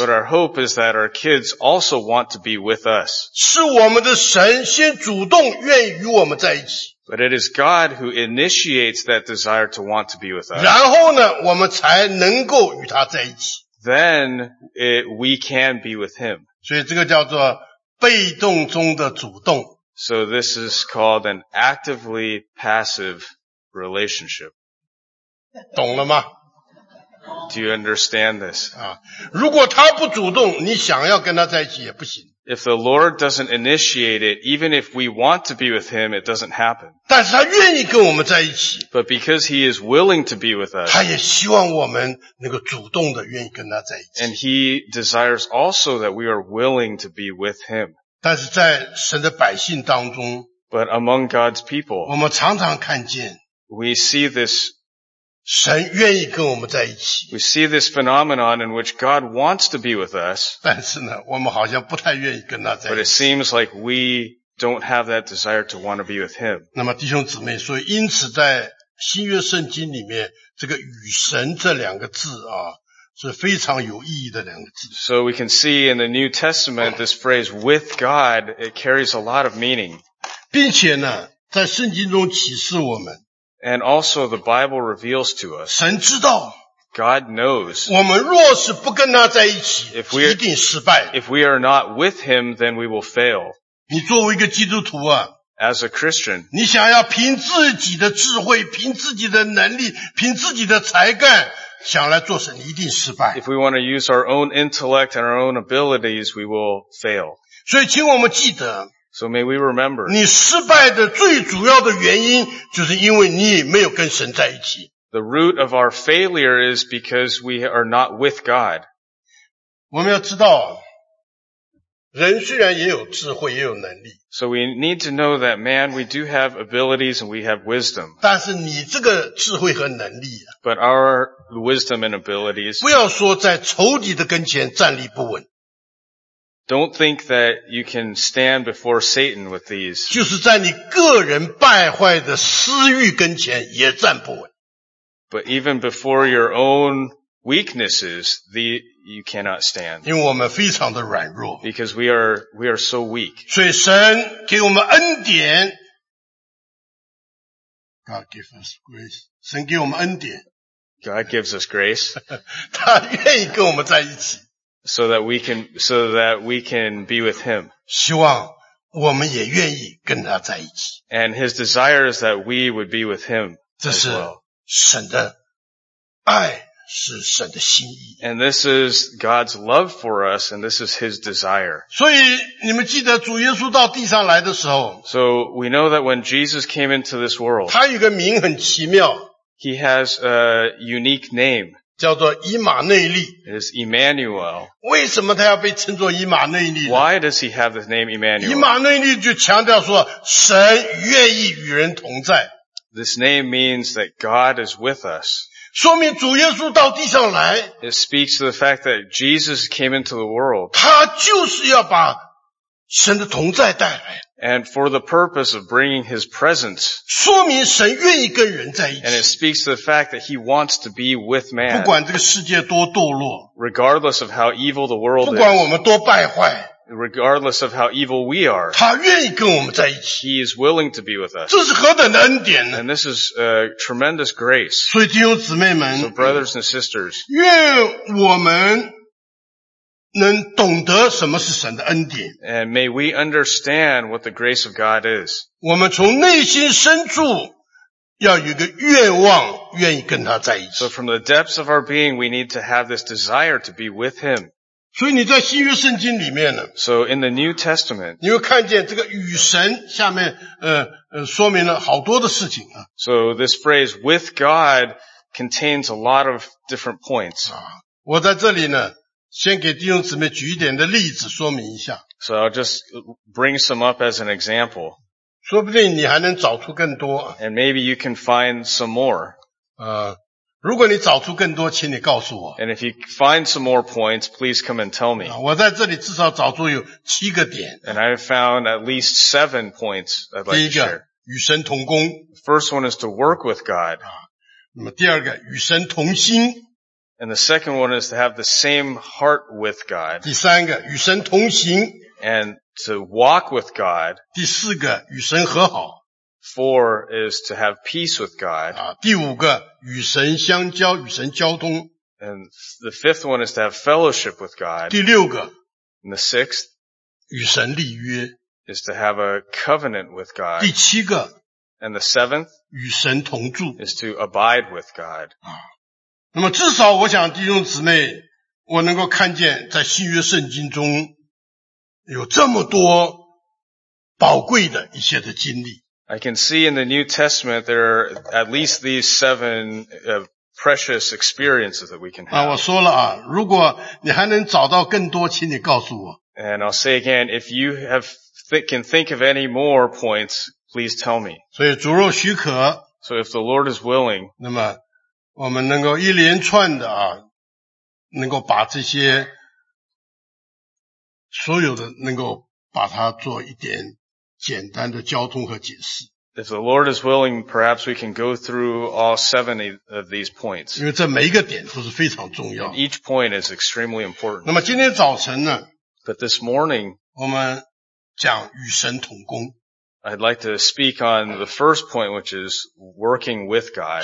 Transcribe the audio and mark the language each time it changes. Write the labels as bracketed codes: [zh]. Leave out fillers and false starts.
[en] But our hope is that our kids also want to be with us. [zh] 是我们的神先主动愿意与我们在一起。 [en] But it is God who initiates that desire to want to be with us. [zh] 然后呢，我们才能够与他在一起。 [en] Then we can be with him. [zh] 所以这个叫做被动中的主动。 [en] So this is called an actively passive relationship. [zh] 懂了吗？ [en] Do you understand this? [zh] 如果他不主动，你想要跟他在一起也不行。 [en] If the Lord doesn't initiate it, even if we want to be with him, it doesn't happen. [zh] 但是他愿意跟我们在一起。 [en] But because he is willing to be with us, [zh] 他也希望我们那个主动的愿意跟他在一起。 [en] And he desires also that we are willing to be with him. [zh] 但是在神的百姓当中， [en] But among God's people, [zh] 我们常常看见， [en] We see this [zh] 神愿意跟我们在一起。 [en] We see this phenomenon in which God wants to be with us. [zh] 但是呢，我们好像不太愿意跟他在一起。 [en] But it seems like we don't have that desire to want to be with him. [zh] 那么弟兄姊妹，所以因此在新约圣经里面，这个与神这两个字啊，是非常有意义的两个字。 [en] So we can see in the New Testament, this phrase with God, it carries a lot of meaning. [zh] 并且呢在圣经中启示我们。 [en] And also the Bible reveals to us, [zh] 神知道。 [en] God knows. [zh] 我们若是不跟他在一起一定失败。 [en] If we are not with him, then we will fail. [zh] 你作为一个基督徒啊 [en] As a Christian, [zh] 你想要凭自己的智慧凭自己的能力凭自己的才干想来做神一定失败。 [en] If we want to use our own intellect and our own abilities, we will fail. [zh] 所以请我们记得 [en] So may we remember. [zh] 你失败的最主要的原因就是因为你没有跟神在一起。 [en] The root of our failure is because we are not with God. [zh] 我们要知道人虽然也有智慧也有能力。 [en] So we need to know that man, we do have abilities and we have wisdom. [zh] 但是你这个智慧和能力啊。 [en] But our wisdom and abilities. [zh] 不要说在仇敌的跟前站立不稳。 [en] Don't think that you can stand before Satan with these. [zh] 就是在你个人败坏的私欲跟前也站不稳。 [en] But even before your own weaknesses, the you cannot stand. [zh] 因为我们非常的软弱。 [en] Because we are so weak. [zh] 所以神给我们恩典。 [en] God gives us grace. [zh] 神给我们恩典。 [en] God gives us grace. [zh] 他愿意跟我们在一起。 [en] So that we can be with him. [zh] 希望我们也愿意跟他在一起。 [en] And his desire is that we would be with him. [zh] 这是神的爱。是神的心意。 [en] And this is God's love for us, and this is His desire. [zh] 所以你们记得主耶稣到地上来的时候 [en] So we know that when Jesus came into this world, [zh] 他有个名很奇妙 [en] He has a unique name. [zh] 叫做以马内利 [en] It is Emmanuel. [zh] 为什么他要被称作以马内利 [en] Why does he have the name Emmanuel? [zh] 以马内利就强调说神愿意与人同在 [en] This name means that God is with us. [zh] 说明主耶稣到地上来 [en] It speaks to the fact that Jesus came into the world. [zh] 他就是要把神的同在带来 [en] And for the purpose of bringing his presence. [zh] 说明神愿意跟人在一起 [en] And it speaks to the fact that he wants to be with man. [zh] 不管这个世界多堕落 [en] Regardless of how evil the world is. [zh] 不管我们多败坏 [en] Regardless of how evil we are. [zh] 他愿意跟我们在一起 [en] He is willing to be with us. [zh] 这是何等的恩典呢 [en] And this is a tremendous grace. [zh] 所以弟兄姊妹们 [en] So brothers and sisters. [zh] 愿我们能懂得什么是神的恩典 [en] And may we understand what the grace of God is. [zh] 我们从内心深处要有个愿望愿意跟他在一起 [en] So from the depths of our being, we need to have this desire to be with him. [zh] 所以你在新约圣经里面呢 [en] So in the New Testament, [zh] 你会看见这个与神下面说明了好多的事情啊。 [en] So this phrase, with God, contains a lot of different points. [zh] 我在这里呢先给弟兄姊妹举一点的例子说明一下。 [en] So I'll just bring some up as an example. [zh] 说不定你还能找出更多。 [en] And maybe you can find some more. [zh] 如果你找出更多请你告诉我 [en] And if you find some more points please come and tell me [zh] 我在这里至少找出有七个点 [en] And I found at least seven points I'd like to share [zh] 第一个与神同工 [en] First one is to work with God [zh] 那么第二个与神同心 [en] And the second one is to have the same heart with God [zh] 第三个与神同行 [en] And to walk with God [zh] 第四个与神和好 [en] Four is to have peace with God. [zh] 第五个与神相交与神交通 [en] And the fifth one is to have fellowship with God. [zh] 第六个 [en] And the sixth [zh] 与神立约 [en] is to have a covenant with God. [zh] 第七个 [en] And the seventh [zh] 与神同住 [en] is to abide with God. [zh] 那么至少我想弟兄姊妹我能够看见在新约圣经中有这么多宝贵的一些的经历 [en] I can see in the New Testament there are at least these seven precious experiences that we can have. [zh] 我说了啊，如果你还能找到更多，请你告诉我。 [en] And I'll say again, if you have can think of any more points, please tell me. [zh] 所以主若许可。 [en] So if the Lord is willing. [zh] 那么我们能够一连串的啊，能够把这些所有的能够把它做一点。简单的交通和解释。 [en] If the Lord is willing, perhaps we can go through all 7 of these points. And each point is extremely important. [zh] 那么今天早晨呢, [en] but this morning, [zh] 我们讲与神同工, [en] I'd like to speak on the first point, which is working with God.